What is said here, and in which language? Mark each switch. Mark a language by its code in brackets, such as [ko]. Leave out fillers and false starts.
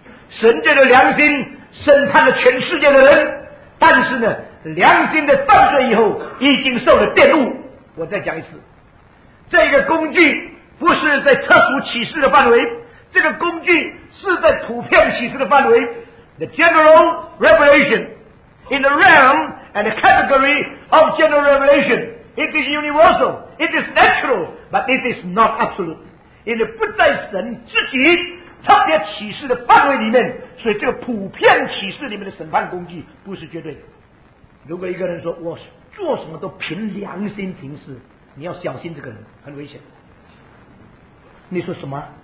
[zh] 神借着良心审判了全世界的人，但是呢，良心的犯罪以后已经受了玷污。我再讲一次，这个工具不是在特殊启示的范围，这个工具是在普遍启示的范围。 [en] The general revelation in the realm and the category of general revelation, it is universal, it is natural, but it is not absolute. [zh] 因为不在神自己特别启示的范围里面，所以这个普遍启示里面的审判工具不是绝对的。如果一个人说我做什么都凭良心行事，你要小心，这个人很危险。你说什么？